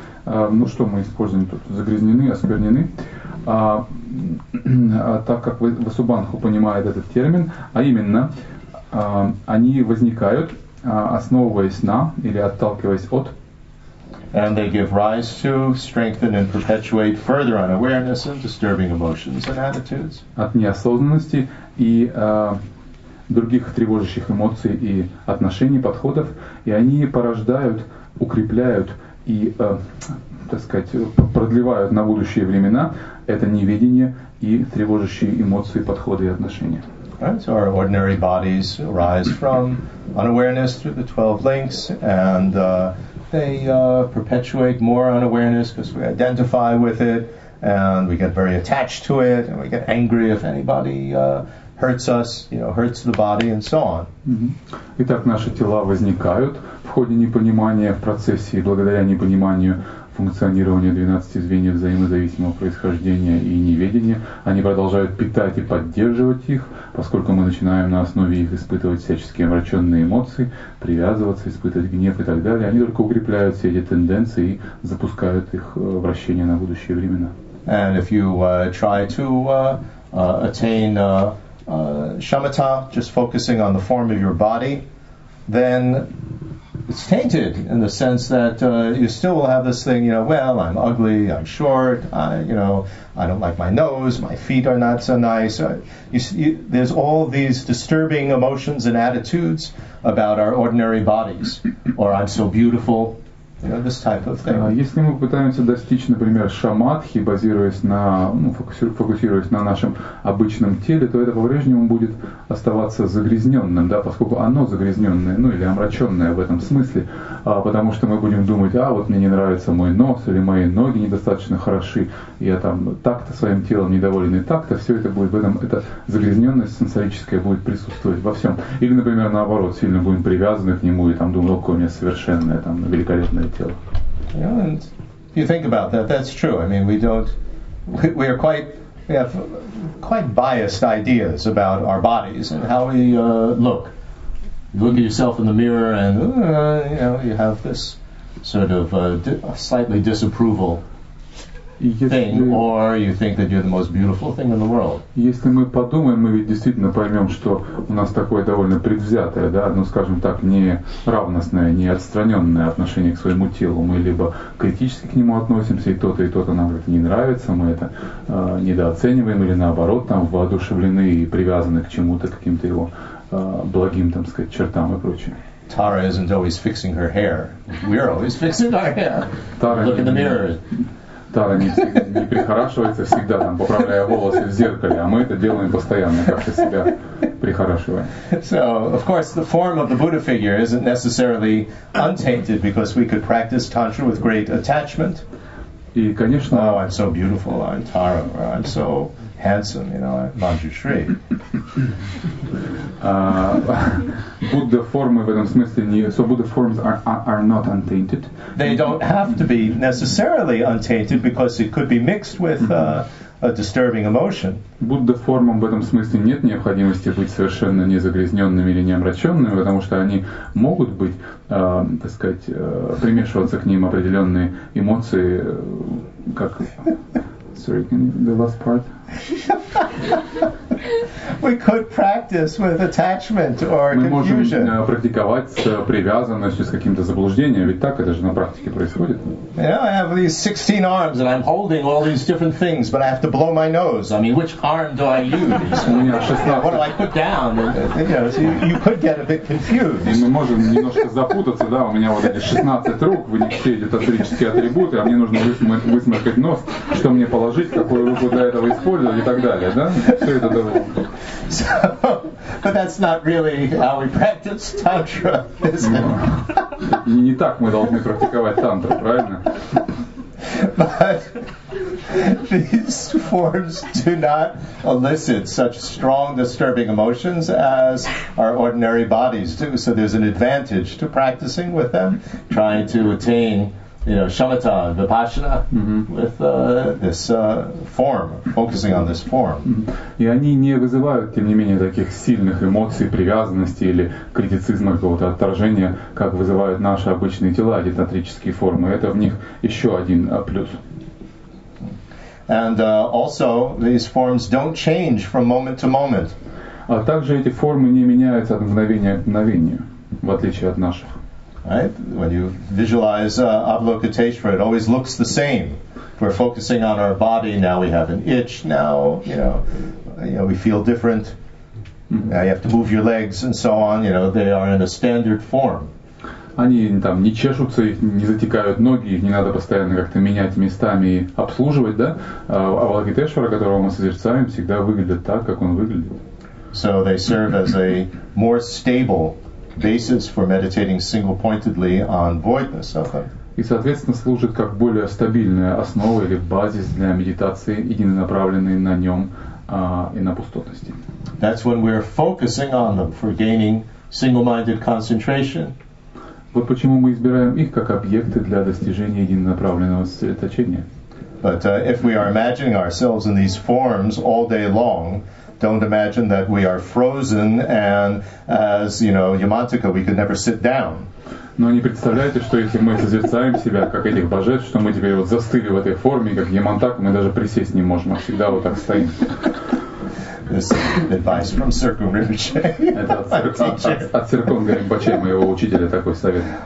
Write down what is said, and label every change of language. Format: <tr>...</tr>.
<ru>Ну что мы используем тут? Загрязнены, осквернены. Так как Васубанху понимает этот термин, а именно, они возникают, основываясь на или отталкиваясь от.</ru> <en>And they give rise to, strengthen and perpetuate further unawareness and disturbing emotions and attitudes.</en> <ru>От неосознанности и других тревожащих эмоций и отношений, подходов, и они порождают, укрепляют и, так сказать, продлевают на будущие времена это неведение и тревожащие эмоции, подходы и отношения.</ru> <en>Right, so our ordinary bodies arise from unawareness through the 12 links, and they perpetuate more unawareness because we identify with it, and we get very attached to it, and we get angry if anybody hurts us, you know, hurts the body, and so on. Mm-hmm.</en> <ru>Итак, наши тела возникают в ходе непонимания, в процессе, и благодаря непониманию функционирования 12 звеньев взаимозависимого происхождения и неведения, они продолжают питать и поддерживать их, поскольку мы начинаем на основе их испытывать всяческие омраченные эмоции, привязываться, испытывать гнев и так далее. Они только укрепляют все эти тенденции и запускают их вращение на будущие времена.</ru> <en>And if you try to attain shamatha, just focusing on the form of your body, then it's tainted in the sense that you still will have this thing, you know, well, I'm ugly, I'm short, I don't like my nose, my feet are not so nice. There's all these disturbing emotions and attitudes about our ordinary bodies, or I'm so beautiful.</en> <ru>Если мы пытаемся достичь, например, шамадхи, фокусируясь на нашем обычном теле, то это по-прежнему будет оставаться загрязненным, да, поскольку оно загрязненное, ну или омраченное в этом смысле, потому что мы будем думать, а вот мне не нравится мой нос, или мои ноги недостаточно хороши, я там так-то своим телом недоволен, и так-то все это будет в этом, эта загрязненность сенсорическая будет присутствовать во всем. Или, например, наоборот, сильно будем привязаны к нему, и там думаем, какое у меня совершенное, там, великолепное.</ru> <en>Yeah, and if you think about that, that's true. I mean, we have quite biased ideas about our bodies and how we look. You look at yourself in the mirror and, you have this sort of slightly disapproval thing, or you think that you're the most beautiful thing in the world.</en> <ru>Если мы подумаем, мы ведь действительно поймем, что у нас такое довольно предвзятое, да, ну, скажем так, не равностное, не отстраненное отношение к своему телу. Мы либо критически к нему относимся, и то-то нам это не нравится, мы это недооцениваем, или наоборот, там, воодушевлены и привязаны к чему-то, к каким-то его благим, там, сказать, чертам и прочее.</ru> <en>Tara isn't always fixing her hair. We're always fixing our hair. Tara, look in the mirror.</en> <ru>Тара не прихорашивается всегда, там, поправляя волосы в зеркале, а мы это делаем постоянно, как-то себя прихорашиваем.</ru> <en>So, of course, the form of the Buddha figure isn't necessarily untainted, because we could practice tantra with great attachment.</en> <ru>И, конечно,</ru> <en>oh, I'm so beautiful, I'm Tara, or I'm so handsome, you know, I'm Manjushri.</en> <ru>Buddha формы в этом смысле не...</ru> <en>So Buddha forms are not untainted. They don't have to be necessarily untainted, because it could be mixed with a disturbing emotion.</en> <ru>Buddha формам в этом смысле нет необходимости быть совершенно незагрязненными или неомраченными, потому что они могут быть, так сказать, примешиваться к ним определенные эмоции, как...</ru> <en>Sorry, can you... the last part? We could practice with attachment or confusion.</en> <ru>Мы можем практиковать с привязанностью, с каким-то заблуждением, ведь так это же на практике происходит.</ru> <en>Yeah, I have these 16 arms and I'm holding all these different things, but I have to blow my nose. I mean, which arm do I use? What do I put down? You could get a bit confused.</en> <ru>Мы можем немножко запутаться, да, у меня вот эти 16 рук, в них все эти тантрические атрибуты, а мне нужно высморкать нос, что мне положить, какую руку для этого использовать и так далее, да? Все это довольно.</ru> <en>So, but that's not really how we practice tantra, is it?</en> <ru>Не так мы должны практиковать тантру, правильно?</ru> <en>But these forms do not elicit such strong disturbing emotions as our ordinary bodies do. So there's an advantage to practicing with them, trying to attain shamatha, vipassana, with this form, focusing on this form.</en> <ru>И они не вызывают, тем не менее, таких сильных эмоций, привязанности или критицизма, какого-то отторжения, как вызывают наши обычные тела, эти тантрические формы. Это в них еще один плюс.</ru> <en>And also, these forms don't change from moment to moment.</en> <ru>А также эти формы не меняются от мгновения к мгновению, в отличие от наших.</ru> <en>Right? When you visualize Avalokiteshvara, it always looks the same. We're focusing on our body, now we have an itch, now, you know, we feel different. Now you have to move your legs and so on, you know, they are in a standard form.</en> <ru>Они там не чешутся, их не затекают ноги, их не надо постоянно как-то менять местами и обслуживать, да? А Авалокитешвара, которого мы созерцаем, всегда выглядит так, как он выглядит.</ru> <en>So they serve as a more stable basis for meditating single-pointedly on voidness of them.</en> <ru>И, соответственно, служит как более стабильная основа или базис для медитации, единонаправленной на нем и на пустотности.</ru> <en>That's when we're focusing on them for gaining single-minded concentration.</en> <ru>Вот почему мы избираем их как объекты для достижения единонаправленного сосредоточения.</ru> <en>But if we are imagining ourselves in these forms all day long, don't imagine that we are frozen and, as you know, Yamantaka, we could never sit down.</en> <ru>Но не представляете, что если мы созерцаем себя как этих божеств, что мы теперь вот застыли в этой форме, как Yamantaka, мы даже присесть не можем, а всегда вот так стоим.</ru> <en>This advice from Sirko Rinpoche.</en> <ru>От Сиркунга Ринпоче, моего учителя, такой совет.</ru>